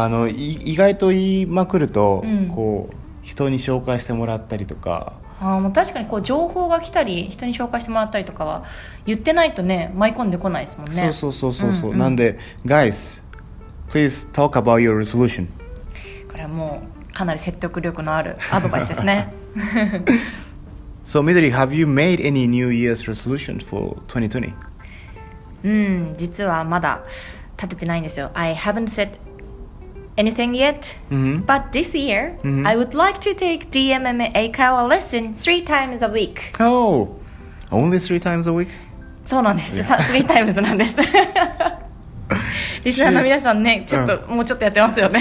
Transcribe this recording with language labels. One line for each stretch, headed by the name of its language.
Japanese: 意外と言いまくると、うん、こう人に紹介してもらったりとか。あ、もう確かにこう情報が来たり人に紹介してもらったりとかは言ってないとね、舞い込んでこないですもんね。そう、うんうん、なんで
English: Guys, please talk about your resolution. これはもうかなり説得力のあるアドバイスですね So Midori, have you made any New Year's resolution for 2020?
Japanese: うん、実はまだ立ててないんですよ。
English: I haven't said anything yet、mm-hmm. But this year、mm-hmm. I would like to take DMM Aikawa lesson 3 times a week. Oh, only 3 times a week?
Japanese: そうなんです、yeah. 3 times なんですリスナーの皆さんね、ちょっと、もうちょっとやってますよね。